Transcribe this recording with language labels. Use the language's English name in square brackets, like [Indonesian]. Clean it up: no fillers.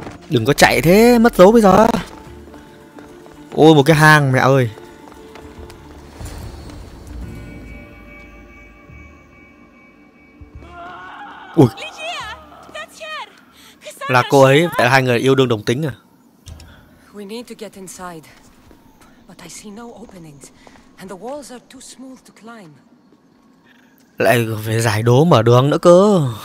[Vietnamese] Đừng có chạy thế, mất dấu bây giờ. Ôi một cái hang mẹ ơi. Ui. Là cô ấy, phải là hai người yêu đương đồng tính à? [English] We need to get inside. But I see no openings and the walls are too smooth to climb. [Vietnamese] Lại phải giải đố mở đường nữa cơ.